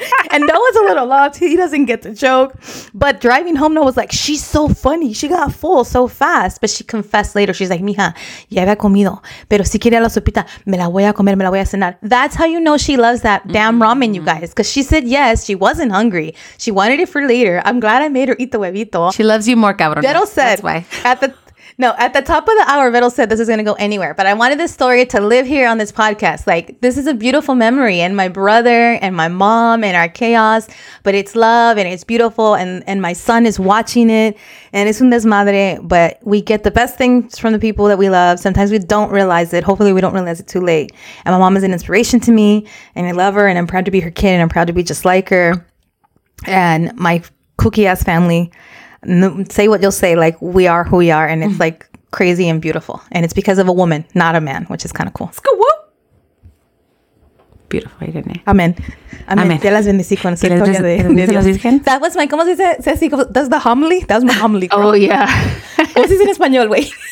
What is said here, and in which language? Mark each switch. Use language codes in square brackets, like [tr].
[en] And Noah's a little lost. He doesn't get the joke. But driving home, Noah was like, she's so funny. She got full so fast. But she confessed later. She's like, [es] mija, ya había comido. Pero si quiere la sopita, me la voy a comer, me la voy a cenar. [en] That's how you know she loves that damn ramen, you guys. Because she said yes. She wasn't hungry. She wanted it for later. I'm glad I made her eat the huevito. She loves you more, cabrón. Vettel said, at the top of the hour, Vettel said this is going to go anywhere. But I wanted this story to live here on this podcast. Like, this is a beautiful memory. And my brother and my mom and our chaos. But it's love and it's beautiful. And my son is watching it. And it's [es] un desmadre. [en] But we get the best things from the people that we love. Sometimes we don't realize it. Hopefully, we don't realize it too late. And my mom is an inspiration to me. And I love her. And I'm proud to be her kid. And I'm proud to be just like her. And my kooky-ass family. Say what you'll say, like, we are who we are, and it's like crazy and beautiful, and it's because of a woman, not a man, which is kind of cool. Let's go. Whoop. Beautiful, didn't it? Amen. [es] Te las bendecí con la historia de Dios. [en] That was my, [es] ¿cómo se dice? [en] Ceci, that's the homily. That was my homily. Oh, yeah. [es] ¿Cómo se dice en español, güey?